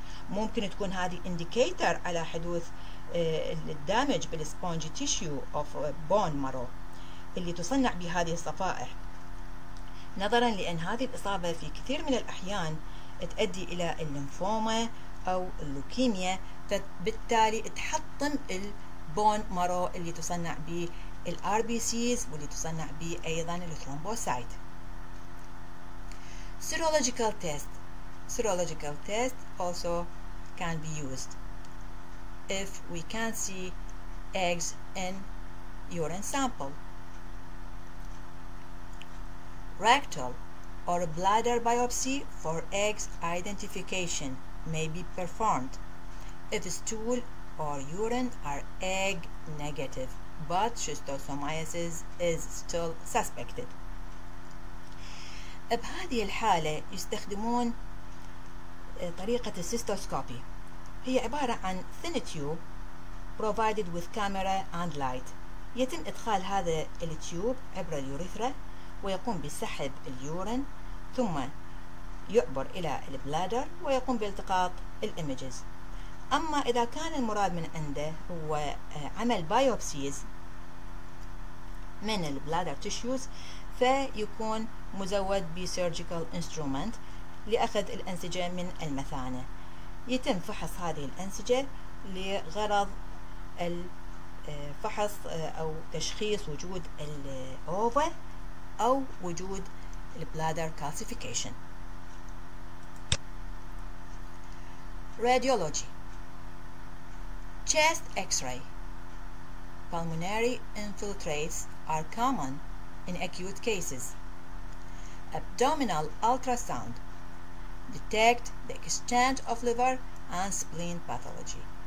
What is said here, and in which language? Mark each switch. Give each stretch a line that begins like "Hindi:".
Arabic: ممكن تكون هذه إنديكيتر على حدوث الدامج بالسبونج تيشيو أوف بون مارو اللي تصنع بهذه الصفائح، نظرا لأن هذه الإصابة في كثير من الأحيان تؤدي إلى الليمفوما أو اللوكيميا، فبالتالي تحطم البون مارو اللي تصنع به الار بي سيز واللي تصنع به أيضا الثرومبوسايت.
English: Serological test, serological test also can be used if we can see eggs in urine sample. Rectal or bladder biopsy for eggs identification may be performed if stool or urine are egg negative, but schistosomiasis is still suspected.
Arabic: بهذه الحالة يستخدمون طريقة السيستوسكوبي. هي عبارة عن
English: thin tube provided with camera and light.
Arabic: يتم إدخال هذا التيوب عبر اليوريثرا ويقوم بسحب اليورين، ثم يعبر إلى البلادر ويقوم بالتقاط الإيمجز. أما إذا كان المراد من عنده هو عمل بايوبسيز من البلادر تيشوز، فيكون مزود بسيرجيكال انسترومنت لأخذ الأنسجة من المثانة. يتم فحص هذه الأنسجة لغرض الفحص أو تشخيص وجود الأوفا أو وجود البلادر كالسيفيكيشن.
English: Radiology: chest x-ray. Pulmonary infiltrates are common in acute cases. Abdominal ultrasound detect the extent of liver and spleen pathology.